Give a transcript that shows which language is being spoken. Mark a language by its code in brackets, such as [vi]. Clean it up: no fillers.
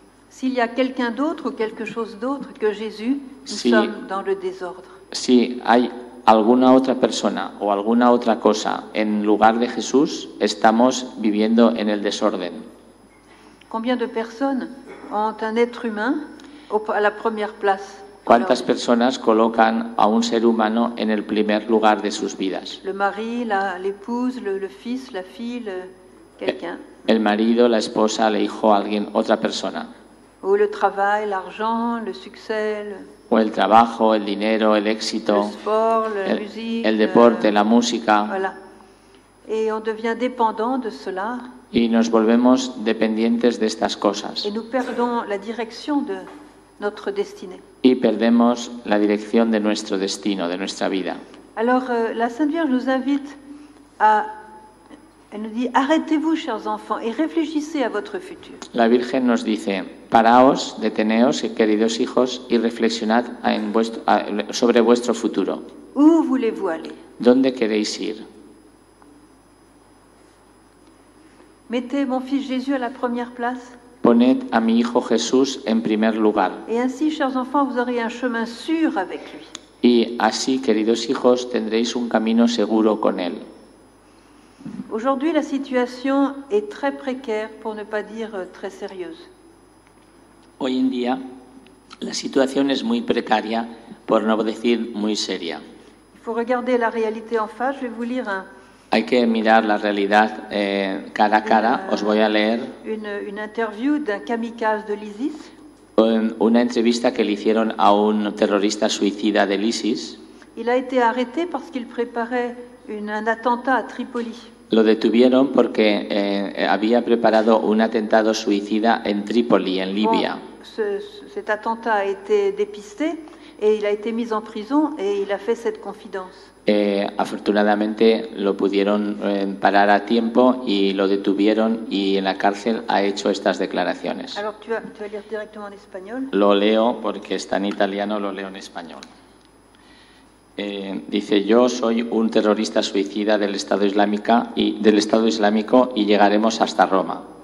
[fr] S'il y a quelqu'un d'autre ou quelque chose d'autre que Jésus, nous sommes dans le désordre. [es] Si hay alguna otra persona o alguna otra cosa en lugar de Jesús, estamos viviendo en el desorden. [fr] Combien de personnes ont un être humain à la première place? [es] ¿Cuántas personas colocan a un ser humano en el primer lugar de sus vidas? [fr] Le mari, l'épouse, le fils, la fille, quelqu'un. [es] El marido, la esposa, el hijo, alguien, otra persona. [fr] O le travail, l'argent, le succès. [es] O el trabajo, el dinero, el éxito. [fr] Le sport, la musique. [es] El deporte, la música. [fr] Voilà. Et on devient dépendant de cela. [es] Y nos volvemos dependientes de estas cosas. [fr] Et nous perdons la direction de notre destinée. [es] Y perdemos la dirección de nuestro destino, de nuestra vida. [fr] Alors la Sainte Vierge nous invite à, elle nous dit, arrêtez-vous, chers enfants, et réfléchissez à votre futur. [es] La Virgen nos dice, paraos, deteneos, queridos hijos, y reflexionad en vuestro, sobre vuestro futuro. [fr] Où voulez-vous aller? [es] ¿Dónde queréis ir? [fr] Mettez mon fils Jésus à la première place. [es] Poned a mi hijo Jesús en primer lugar. [fr] Et ainsi, chers enfants, vous aurez un chemin sûr avec lui. [es] Y así, queridos hijos, tendréis un camino seguro con él. [fr] Aujourd'hui, la situation est très précaire, pour ne pas dire très sérieuse. [es] Hoy en día, la situación es muy precaria, por no decir muy seria. [fr] Il faut regarder la réalité en face. Je vais vous lire un. [es] Hay que mirar la realidad cara a cara. Os voy a leer [fr] une interview d'un kamikaze de l'ISIS. [es] Una entrevista que le hicieron a un terrorista suicida de l'ISIS. [fr] Il a été arrêté parce qu'il préparait un attentat à Tripoli. [es] Lo detuvieron porque había preparado un atentado suicida en Tripoli, en Libia. [fr] Bon, cet attentat a été dépisté et il a été mis en prison et il a fait cette confidence. [es] Afortunadamente lo pudieron parar a tiempo y lo detuvieron y en la cárcel ha hecho estas declaraciones. [fr] Alors, tu vas lire directement en español. [es] Lo leo porque está en italiano, lo leo en español. Dice, yo soy un terrorista suicida del Estado Islámico y llegaremos hasta Roma.